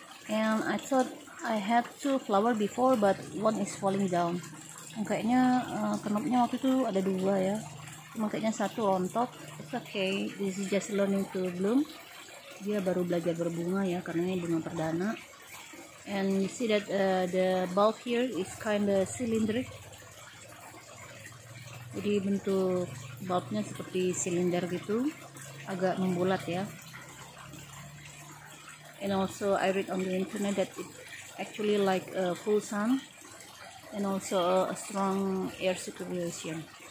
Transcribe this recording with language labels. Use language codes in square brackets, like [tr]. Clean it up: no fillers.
[en] And I thought I had two flower before, but one is falling down. [id] Dan kayaknya kenopnya waktu itu ada dua ya. Cuma kayaknya satu [en] on top. It's okay, this is just learning to bloom. [id] Dia baru belajar berbunga ya, karena ini bunga perdana. [en] And you see that the bulb here is kind of cylindric. [id] Jadi bentuk bulbnya seperti silinder gitu, agak membulat ya. [en] And also I read on the internet that it actually like a full sun and also a strong air circulation.